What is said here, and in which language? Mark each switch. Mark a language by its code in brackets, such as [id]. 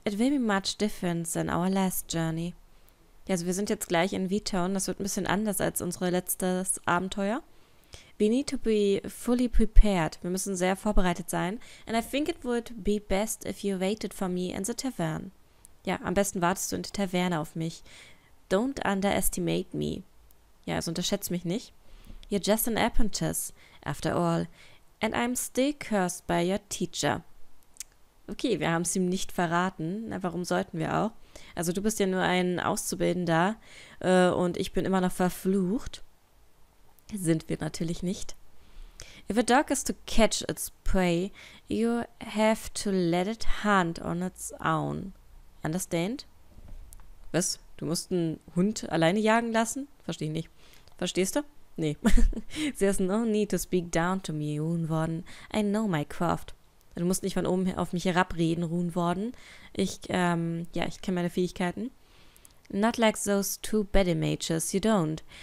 [en] It will be much different than our last journey. [de] Ja, also wir sind jetzt gleich in Witton. Das wird ein bisschen anders als unsere letztes Abenteuer. [en] We need to be fully prepared. [de] Wir müssen sehr vorbereitet sein. [en] And I think it would be best if you waited for me in the tavern. [de] Ja, am besten wartest du in der Taverne auf mich. [en] Don't underestimate me. [de] Ja, also unterschätze mich nicht. [en] You're just an apprentice, after all. And I'm still cursed by your teacher. [de] Okay, wir haben es ihm nicht verraten. Na, warum sollten wir auch? Also du bist ja nur ein Auszubildender und ich bin immer noch verflucht. Sind wir natürlich nicht. [en] If a dog is to catch its prey, you have to let it hunt on its own. Understand? Was? [de] Du musst einen Hund alleine jagen lassen? Verstehe ich nicht. Verstehst du? Nee. [en] There's no need to speak down to me, Runeworden. I know my craft. [de] Du musst nicht von oben auf mich herabreden, Runeworden. Ich, ich kenne meine Fähigkeiten. [en] Not like those two baddie mages, you don't.